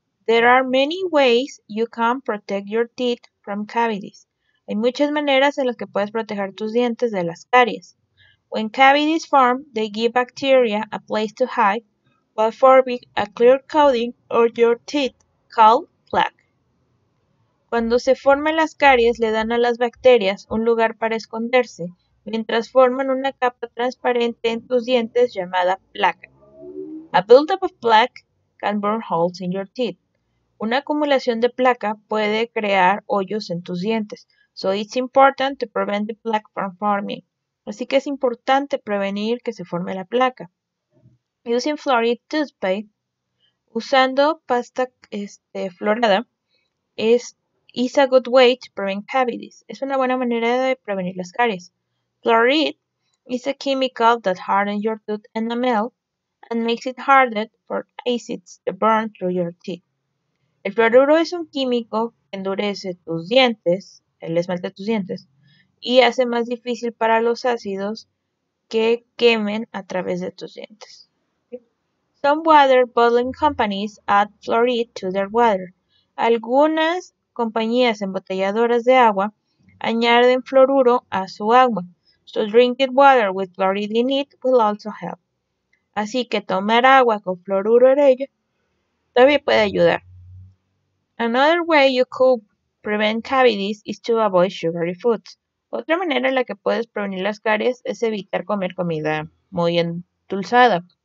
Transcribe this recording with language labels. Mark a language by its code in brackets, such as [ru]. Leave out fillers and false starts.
[en] There are many ways you can protect your teeth from cavities. [es] Hay muchas maneras en las que puedes proteger tus dientes de las caries. [en] When cavities form, they give bacteria a place to hide while forming a clear coating on your teeth called plaque. [es] Cuando se forman las caries, le dan a las bacterias un lugar para esconderse, mientras forman una capa transparente en tus dientes llamada placa. [en] A buildup of plaque can burn holes in your teeth. [es] Una acumulación de placa puede crear hoyos en tus dientes. [en] So it's important to prevent the plaque from forming. [es] Así que es importante prevenir que se forme la placa. [en] Using fluoride toothpaste, [es] usando pasta fluorada, [en] is a good way to prevent cavities. [es] Es una buena manera de prevenir las caries. [en] Fluoride is a chemical that hardens your tooth enamel and makes it harder for acids to burn through your teeth. [es] El fluoruro es un químico que endurece tus dientes, el esmalte de tus dientes, y hace más difícil para los ácidos que quemen a través de tus dientes. [en] Some water bottling companies add fluoride to their water. [es] Algunas compañías embotelladoras de agua añaden fluoruro a su agua. [en] So drinking water with fluoride in it will also help. [es] Así que tomar agua con fluoruro en ella también puede ayudar. [en] Another way you could prevent cavities is to avoid sugary foods. [es] Otra manera en la que puedes prevenir las caries es evitar comer comida muy endulzada.